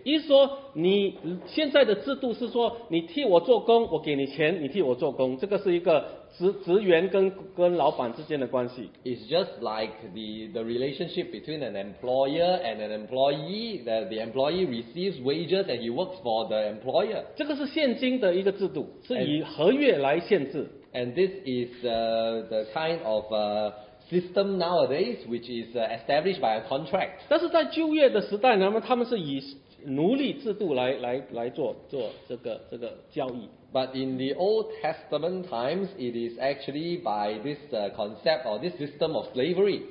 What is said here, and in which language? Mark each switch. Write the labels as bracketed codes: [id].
[zh] 意思说你现在的制度是说你替我做工，我给你钱，你替我做工，这个是一个。职员跟老板之间的关系。 [en] It's just like the relationship between an employer and an employee, that the employee receives wages and he works for the employer. [zh] 这个是现今的一个制度，是以合约来限制。 [en] And this is the kind of system nowadays which is established by a contract. [zh] 但是在旧约的时代呢，他们是以奴隶制度来做这个交易。 [en] But in the Old Testament times, it is actually by this concept or this system of slavery.